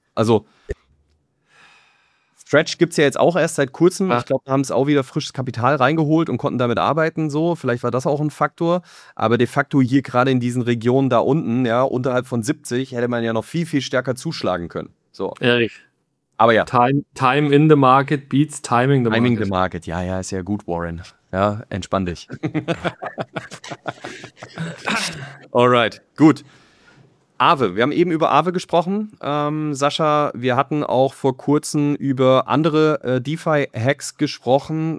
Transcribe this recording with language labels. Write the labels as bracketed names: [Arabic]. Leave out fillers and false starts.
[German] Also, Stretch gibt es ja jetzt auch erst seit kurzem. Ich glaube, da haben es auch wieder frisches Kapital reingeholt und konnten damit arbeiten. So, vielleicht war das auch ein Faktor. Aber de facto hier gerade in diesen Regionen da unten, ja, unterhalb von 70, hätte man ja noch viel, viel stärker zuschlagen können. So. Erik. Aber ja. [English] Time in the market beats timing the market. Timing the market, [German] ja, ja, ist ja gut, Warren. Ja, entspann dich. Alright, gut. Aave, wir haben eben über Aave gesprochen. Sascha, wir hatten auch vor kurzem über andere DeFi-Hacks gesprochen.